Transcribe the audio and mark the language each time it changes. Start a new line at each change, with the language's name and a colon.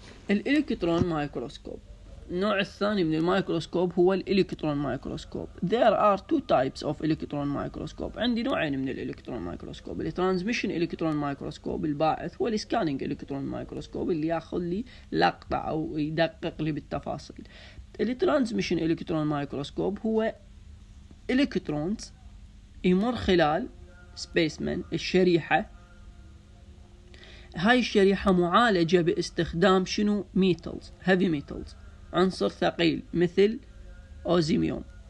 Arabic: الالكترون مايكروسكوب، النوع الثاني من المايكروسكوب هو الإلكترون مايكروسكوب.
English: There are two types of electron microscope.
Arabic: عندي نوعين من الإلكترون مايكروسكوب، الترانزميشن إلكترون مايكروسكوب الباعث، والسكانينج إلكترون مايكروسكوب اللي ياخذ لي لقطة أو يدقق لي بالتفاصيل. الترانزميشن إلكترون مايكروسكوب هو إلكترونز يمر خلال سبيسمن الشريحة، هاي الشريحة معالجة باستخدام شنو؟ ميتلز، هيفي ميتلز، عنصر ثقيل مثل أوزيميوم.